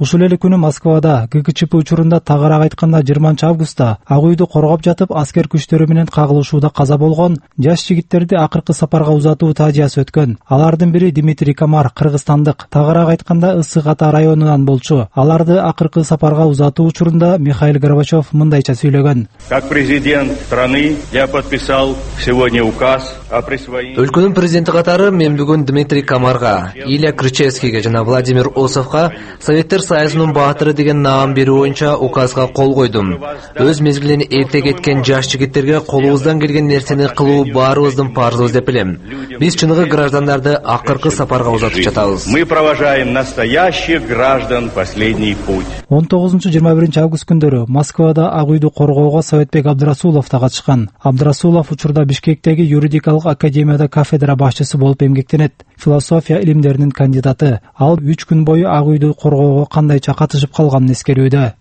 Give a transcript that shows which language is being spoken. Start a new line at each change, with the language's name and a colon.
Kyrgyz: Ушул эле күнү Москвада ГКЧП учурунда тагыраак айтканда 20 августта Ак Үйдү коргоп жатып аскер күчтөрү менен кагылышууда каза болгон жаш жигиттерди акыркы сапарга узатуу таажиясы өткөн. Алардын бири Дмитрий Комар кыргызстандык, тагыраак айтканда Ысык Ата районунан болчу. Аларды акыркы сапарга узатуу учурунда Михаил Горбачев мындайча сүйлөгөн.
Russian: Как президент страны, я подписал сегодня указ о присвоении.
Kyrgyz: Өлкөнүн президенти катары мен бүгүн Дмитрий Комарга, Илья Кричевскийге жана Владимир Осовго Советтер Союзунун баатыры деген наам берүү боюнча указга кол койдум. Өз мезгилин эрте кеткен жаш жигиттерге колубуздан келген нерсени кылуу баарыбыздын парызыбыз деп билем. Биз чыныгы граждандарды акыркы сапарга узатып жатабыз.
Russian: Мы провожаем настоящих граждан последний путь.
Kyrgyz: 19-21 август күндөрү Москвада Ак Үйдү коргоого Советбек Абдырасулов да катышкан. Абдырасулов учурда Бишкектеги юридикалык академияда кафедра башчысы болуп эмгектенет. Философия илимдеринин кандидаты. Ал 3 күн бою Ак Үйдү коргоого кандайча катышып калганын эскерүүдө.